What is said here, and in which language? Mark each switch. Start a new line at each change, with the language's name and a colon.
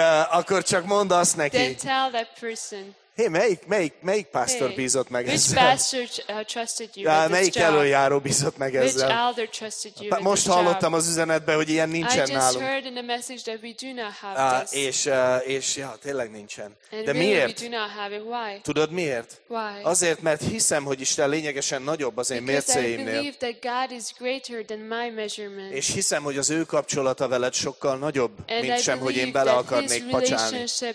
Hungarian: akkor csak mondd azt neki.
English: Then tell that person.
Hungarian: Hey, melyik pastor hey, bízott meg
English: which
Hungarian: ezzel?
English: Pastor trusted you with this
Hungarian: melyik
English: job?
Hungarian: Elöljáró bízott meg
English: which
Hungarian: ezzel?
English: Which elder trusted you with
Hungarian: most
English: this
Hungarian: hallottam
English: job?
Hungarian: Az üzenetben, hogy ilyen nincsen
English: I just
Hungarian: nálunk.
English: Heard in the message that we do not have
Hungarian: és tényleg nincsen.
English: And
Hungarian: de
English: really
Hungarian: miért?
English: We do not have it. Why?
Hungarian: Tudod miért?
English: Why?
Hungarian: Azért, mert hiszem, hogy Isten lényegesen nagyobb az én mércéimnél.
English: I believe that God is greater than my measurement.
Hungarian: És hiszem, hogy az ő kapcsolata veled sokkal nagyobb,
English: and
Hungarian: mint
English: I
Hungarian: sem, hogy én bele akarnék pacsálni.